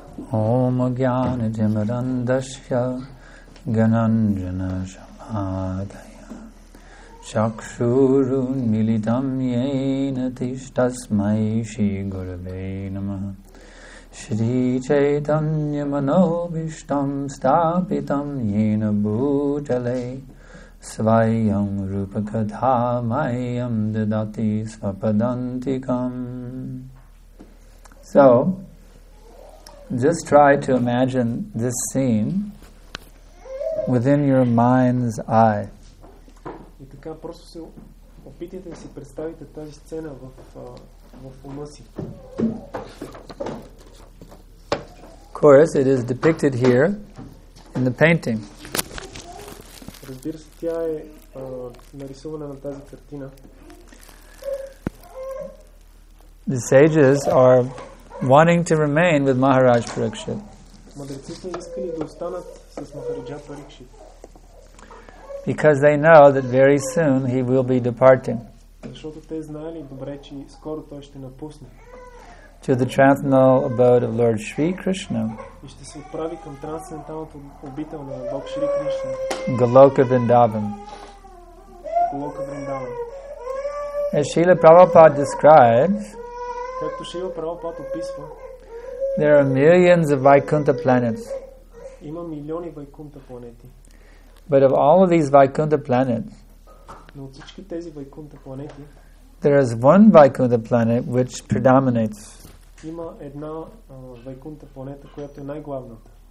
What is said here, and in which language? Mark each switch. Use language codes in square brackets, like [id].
[sa] Om Ajnana Jimarandasya Gananjana Samadaya Chakshuru Nilitam Yena Tishtasmai Shri Gurave Namaha Shri Chaitanya Manovishtam Stapitam Yena Bhutale Svayam Rupakatha Mayam Dadati Svapadantikam. [en] So, just try to imagine this scene within your mind's eye. [bg] И така, просто се опитайте да си представите тази сцена в ума си. [en] Of course, it is depicted here in the painting. [bg] Разбира се, тя е нарисувана на тази картина. [en] The sages are wanting to remain with Maharaj Parikshit. [bg] Мъдреците искали да останат с Махараджа Парикшит. [en] Because they know that very soon he will be departing. [bg] Защото те знаели добре, че скоро той ще напусне. [en] To the transcendental abode of Lord Sri Krishna. [bg] И ще се отправи към трансценденталното обител на Бог Шри Кришна. [en] Goloka Vrindavan. [bg] Goloka Vrindavan. [en] As Srila Prabhupada describes, [bg] както Шрила Прабхупад описва, [en] there are millions of Vaikuntha planets. [bg] Има милиони Вайкунта планети. [en] But of all of these Vaikuntha planets, [bg] но от всички тези Вайкунта планети, [en] there is one Vaikuntha planet which predominates. [bg] Има една Вайкунта планета, която е най-главната.